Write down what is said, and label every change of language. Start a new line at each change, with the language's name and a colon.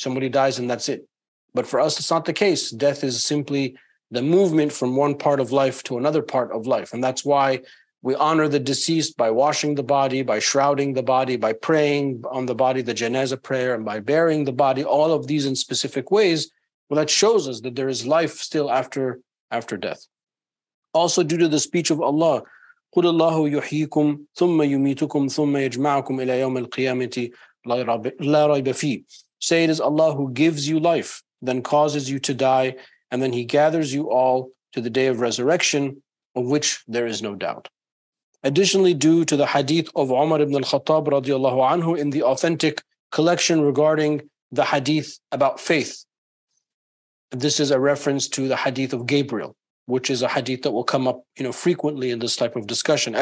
English: Somebody dies and that's it. But for us, it's not the case. Death is simply the movement from one part of life to another part of life. And that's why we honor the deceased by washing the body, by shrouding the body, by praying on the body, the janazah prayer, and by burying the body, all of these in specific ways. Well, that shows us that there is life still after death. Also, due to the speech of Allah,
Arabic: قُلْ اللَّهُ يُحْيِيكُمْ ثُمَّ يُمِيتُكُمْ ثُمَّ يَجْمَعُكُمْ إِلَى يَوْمِ الْقِيَامَةِ لَا رَيْبَ فِيهِ.
English: Say, it is Allah who gives you life, then causes you to die, and then He gathers you all to the day of resurrection, of which there is no doubt. Additionally, due to the hadith of Umar ibn al-Khattab radiallahu anhu in the authentic collection regarding the hadith about faith, this is a reference to the hadith of Gabriel, which is a hadith that will come up, you know, frequently in this type of discussion.